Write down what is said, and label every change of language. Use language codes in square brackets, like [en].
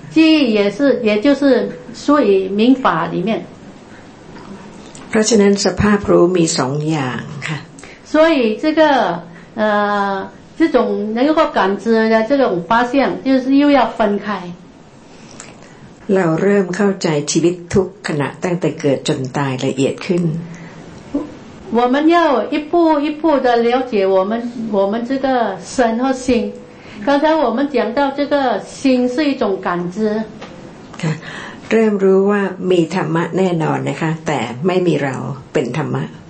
[zh] 记忆也是，也就是属于明法里面。 [th] เพราะฉะนั้นสภาพรู้มีสองอย่างค่ะ。 [zh] 所以这个这种能够感知的这种发现，就是又要分开。 [th] เราเริ่มเข้าใจชีวิตทุกขณะตั้งแต่เกิดจนตายละเอียดขึ้น。 [zh] 我们要一步一步的了解我们这个身和心。刚才我们讲到这个心是一种感知， [th] เริ่มรู้ว่ามีธรรมะแน่นอนนะคะแต่ไม่มีเราเป็นธรรมะ